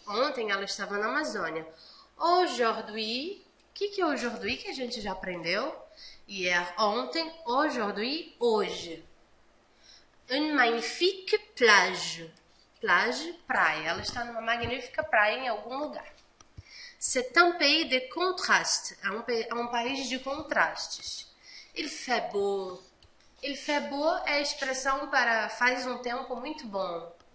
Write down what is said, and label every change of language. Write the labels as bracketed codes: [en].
[pt] Ontem ela estava na Amazônia. Aujourd'hui, que é aujourd'hui que a gente já aprendeu? [fr] Hier, ontem, aujourd'hui, hoje. Une magnifique plage. Plage, praia. [pt] Ela está numa magnífica praia em algum lugar. [fr] C'est un pays de contrastes. [pt] É um país de contrastes. [fr] Il fait beau. Il fait beau [pt] é a expressão para faz um tempo muito bom.